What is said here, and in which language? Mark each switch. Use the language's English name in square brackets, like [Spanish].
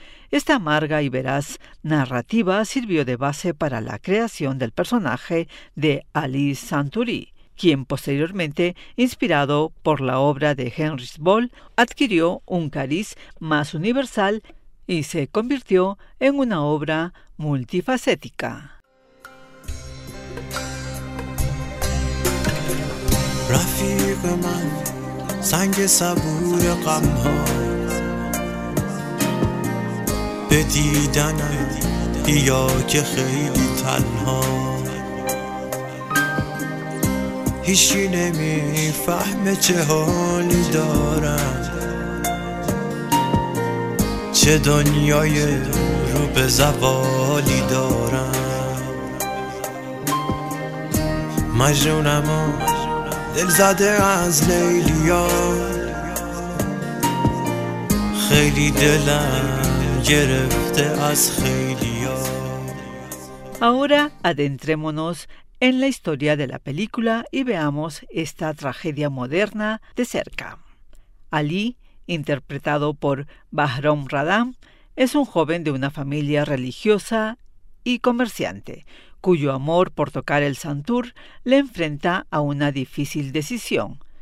[Spanish] Esta amarga y veraz narrativa sirvió de base para la creación del personaje de Ali Santuri, quien posteriormente, inspirado por la obra de Heinrich Böll, adquirió un cariz más universal y se convirtió en una obra multifacética. [Persian] رفیق من سنگ صبور غم ها به دیدن بیا که خیلی تنها هیچی نمی فهم چه حالی دارم چه دنیای رو به زوالی دارم مجنونم و دل زده از لیلیا خیلی دلم گرفته از خیلیا. [Spanish] Ahora adentrémonos en la historia de la película y veamos esta tragedia moderna de cerca. Ali, interpretado por Bahram Radam, es un joven de una familia religiosa y comerciante, cuyo amor por tocar el santur le enfrenta a una difícil decisión.